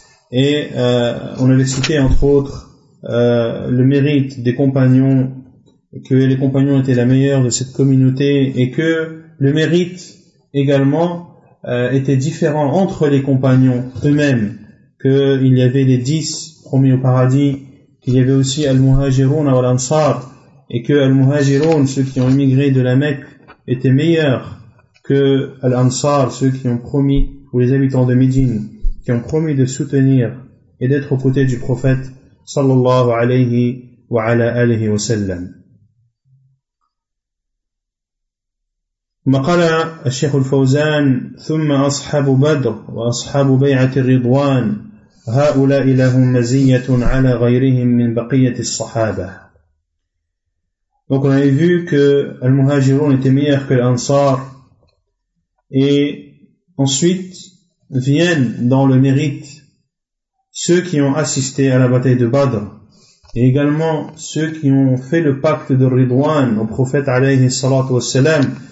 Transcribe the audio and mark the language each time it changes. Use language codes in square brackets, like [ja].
[fr] Et on avait cité entre autres le mérite des compagnons, que les compagnons étaient la meilleure de cette communauté, et que le mérite également était différent entre les compagnons eux-mêmes, qu'il y avait les 10 promis au paradis, qu'il y avait aussi Al-Muhajiroun à Al-Ansar, et que Al-Muhajiroun, ceux qui ont immigré de la Mecque, étaient meilleurs que Al-Ansar, ceux qui ont promis, ou les habitants de Médine, qui ont promis de soutenir et d'être aux côtés du prophète sallallahu alayhi wa ala alihi wa sallam. [ar] مقال الشيخ الفوزان ثم أصحاب بدر وأصحاب بيعة الرضوان هؤلاء لهم مزية على غيرهم من بقية الصحابة. [fr] Donc on avait vu que les muhajirun étaient meilleurs que l'ansar, et ensuite viennent dans le mérite ceux qui ont assisté à la bataille de Badr, et également ceux qui ont fait le pacte de Ridwan au prophète alayhi salatu wassalam.